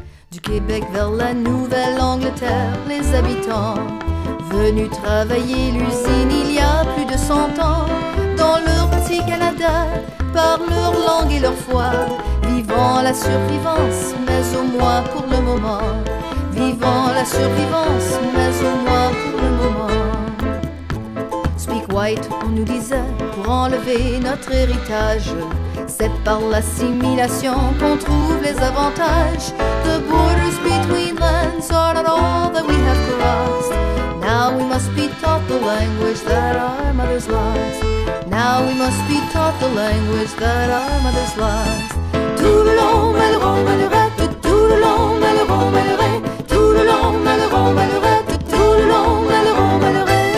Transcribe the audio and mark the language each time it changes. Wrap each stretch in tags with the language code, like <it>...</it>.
<fr>Du Québec vers la Nouvelle-Angleterre, les habitants venu travailler l'usine il y a plus de 100 ans, dans leur petit Canada, par leur langue et leur foi, vivant la survivance, mais au moins pour le moment, vivant la survivance, mais au moins pour le moment.</fr> <en>Speak white,</en> <fr>on nous disait, pour enlever notre héritage, c'est par l'assimilation qu'on trouve les avantages.</fr> <en>The borders between lands are not all that we have crossed. Now we must be taught the language that our mothers lost. Now we must be taught the language that our mothers lost.</en> <fr>Tout le long, malheureux, malheureux, tout le long, malheureux, malheureux, tout le long, malheureux, malheureux, tout le long, malheureux, malheureux.</fr>